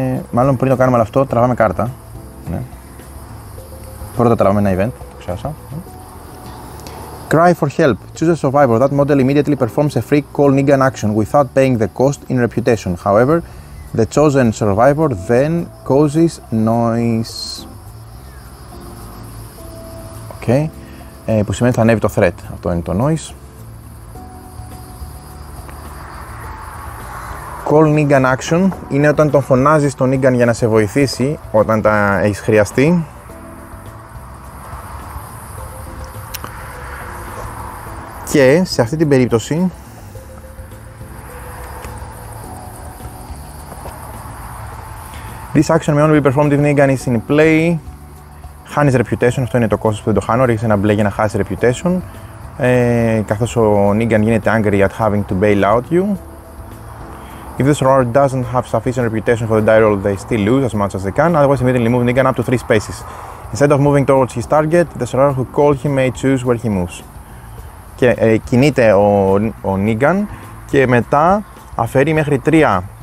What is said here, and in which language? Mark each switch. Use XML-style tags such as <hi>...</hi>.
<el>Μάλλον πριν το κάνουμε όλο αυτό, τραβάμε κάρτα. Ναι. Πρώτα τραβάμε ένα event, το ξέρασα.</el> <en>Cry for help. Choose a survivor. That model immediately performs a free call Negan action without paying the cost in reputation. However, the chosen survivor then causes noise.</en> <el>Οκ. Okay. Που σημαίνει θα ανέβει το threat. Αυτό είναι το noise. Call Negan action είναι όταν τον φωνάζεις τον Negan για να σε βοηθήσει όταν τα έχεις χρειαστεί. Και σε αυτή την περίπτωση</el> <en>this action may only be performed if Negan is in play.</en> <el>Χάνεις reputation, αυτό είναι το κόστος που δεν το χάνω. Ρίχνεις ένα μπλε για να χάσεις reputation. Καθώς ο Negan γίνεται</el> <en>angry at having to bail out you. If the survivor doesn't have sufficient reputation for the die roll, they still lose as much as they can. Otherwise, immediately move Negan up to 3 spaces. Instead of moving towards his target, the survivor who called him may choose where he moves.</en> <el>Και κινείται ο Negan και μετά αφαιρεί μέχρι 3.</el>